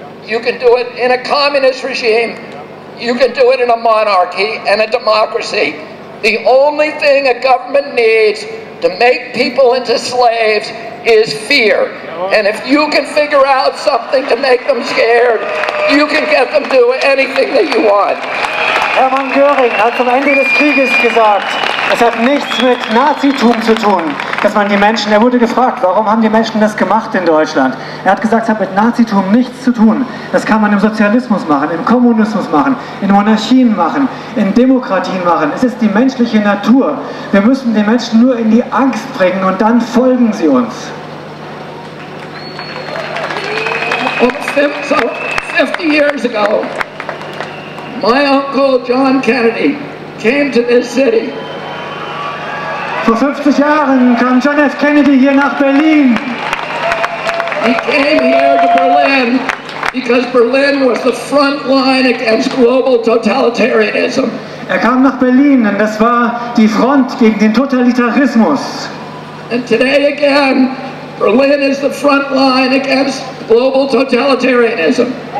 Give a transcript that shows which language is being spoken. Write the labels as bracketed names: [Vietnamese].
[English] You can do it in a communist regime. You can do it in a monarchy and a democracy. The only thing a government needs to make people into slaves is fear. And if you can figure out something to make them scared, you can get them to do anything that you want. [German] Hermann Göring hat am Ende des Krieges gesagt, es hat nichts mit Nazitum zu tun, dass man die Menschen, er wurde gefragt, warum haben die Menschen das gemacht in Deutschland? Er hat gesagt, es hat mit Nazitum nichts zu tun. Das kann man im Sozialismus machen, im Kommunismus machen, in Monarchien machen, in Demokratien machen. Es ist die menschliche Natur. Wir müssen die Menschen nur in die Angst bringen und dann folgen sie uns. [English] Oh, so 50 years ago, my uncle John Kennedy came to this city. [German] Vor 50 Jahren kam John F. Kennedy hier nach Berlin. [English] He came here to Berlin because Berlin was the front line against global totalitarianism. [German] Er kam nach Berlin und das war die Front gegen den Totalitarismus. [English] And today again, Berlin is the front line against global totalitarianism.